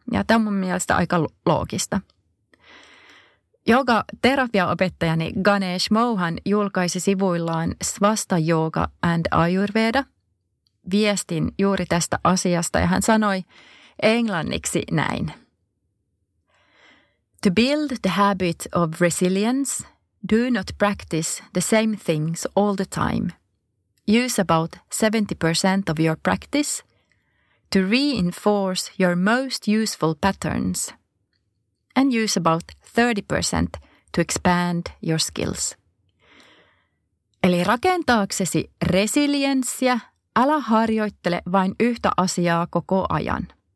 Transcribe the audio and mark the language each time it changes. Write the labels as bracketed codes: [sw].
[fi] Ja tämä on mun mielestä aika loogista. Yoga-terapiaopettajani Ganesh Mohan julkaisi sivuillaan Svasta Yoga and Ayurveda viestin juuri tästä asiasta ja hän sanoi englanniksi näin. [en] To build the habit of resilience, do not practice the same things all the time. Use about 70% of your practice to reinforce your most useful patterns. And use about 30% to expand your skills. [fi] Eli rakentaaksesi resilienssiä, älä harjoittele vain yhtä asiaa koko ajan.